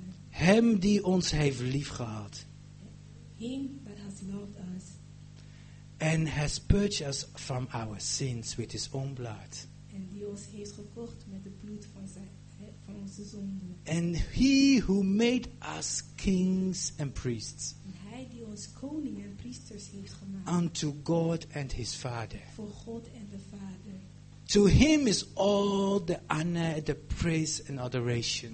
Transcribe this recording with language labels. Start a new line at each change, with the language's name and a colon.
Dutch: Hem die ons heeft lief gehad.
English: Him that has loved us. And has purged us from our sins with His own blood.
Dutch: En die ons heeft gekocht met het bloed van onze zonden.
English: And He who made us kings and priests.
Dutch: En Hij die ons koning en priesters heeft gemaakt.
English: Unto God and His Father.
Dutch: Voor God en de Vader.
English: To Him is all the honor, the praise and adoration.